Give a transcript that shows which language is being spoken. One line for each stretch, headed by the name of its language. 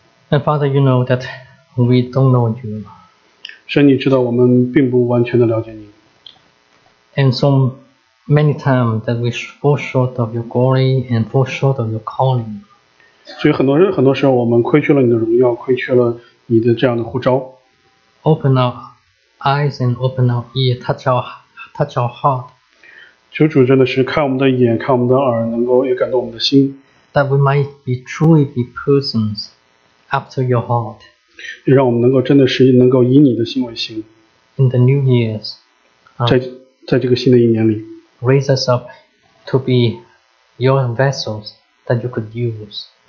English: And Father, you know that we don't know you.
Chinese: 神，你知道我们并不完全的了解你。
English: And so many times that we fall short of your glory and fall short of your calling.
Chinese: 所以很多时候我们亏缺了你的荣耀，亏缺了你的这样的呼召。
English: Open our eyes and open our ear, touch our heart.
Chinese: 求主真的是看我们的眼，看我们的耳，能够也感动我们的心。
English: That we might be truly be persons after your heart.
Chinese: 让我们能够真的是能够以你的心为心。
English: In the new years.
Chinese: 在这个新的一年里。
English: Raise us up to be your vessels that you could use.